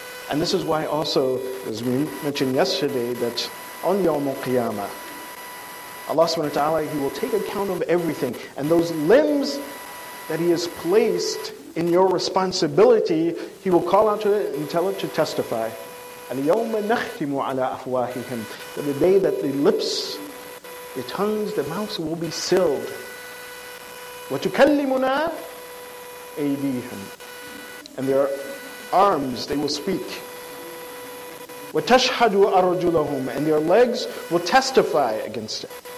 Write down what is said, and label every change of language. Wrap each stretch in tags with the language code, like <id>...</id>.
<en>And this is why also, as we mentioned yesterday, that on يوم القيامة, Allah subhanahu wa ta'ala, he will take account of everything. And those limbs that he has placed in your responsibility, he will call out to it and tell it to testify.</en> <ar>And يَوْمَ نَخْتِمُ عَلَىٰ أَفْوَاهِهِمْ.</ar> <en>That the day that the lips, the tongues, the mouths will be sealed.</en> <ar>وَتُكَلِّمُنَا أَيْدِيهِمْ.</ar> <en>And their arms, they will speak.</en> <ar>وَتَشْحَدُ أَرْجُلَهُمْ.</ar> <en>And their legs will testify against it.</en>